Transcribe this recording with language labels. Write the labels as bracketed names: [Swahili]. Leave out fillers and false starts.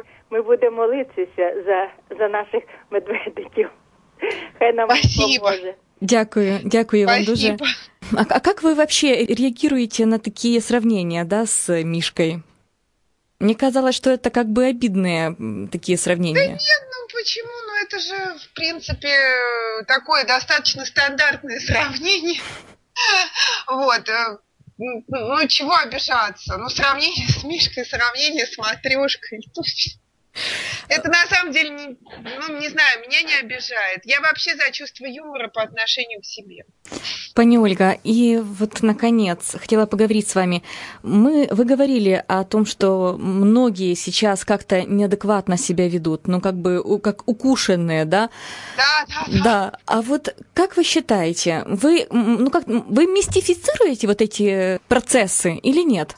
[Ukrainian] Ми будемо молитися за наших медведиків. Хай нам допоможе. Дякую вам дуже. А як ви взагалі реагуєте на такі порівняння, да, з мішкою? [Russian] Мне казалось, что это как бы обидные такие сравнения. Да нет, ну почему? Ну это же, в принципе, такое достаточно стандартное сравнение. Вот. Ну чего обижаться? Ну сравнение с Мишкой, сравнение с матрёшкой. Это на самом деле, ну не знаю, меня не обижает. Я вообще за чувство юмора по отношению к себе. [Ukrainian] Пані Ольга, і от наконец хотіла поговорити з вами. Ви говорили [Russian] о том, що многі сейчас как-то неадекватно себя ведут, ну как бы как укушенные, да? Да, да. Да. А вот как вы считаете, вы мистифицируете вот эти процессы или нет?